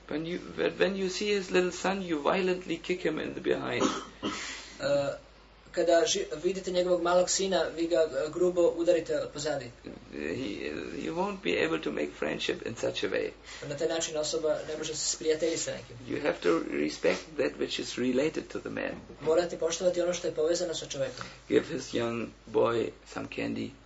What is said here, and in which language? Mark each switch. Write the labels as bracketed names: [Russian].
[English] When you see his little son, you violently kick him in the behind. [Serbian] Kada vidite njegovog malog sina, vi ga grubo udarite pozadi. [English] You won't be able to make friendship in such a way. [Serbian] Na taj način osoba ne može se sprijateljiti sa nekim. [English] You have to respect that which is related to the man. [Serbian] Morate poštovati ono što je povezano sa čovjekom. [English] Give his young boy some candy.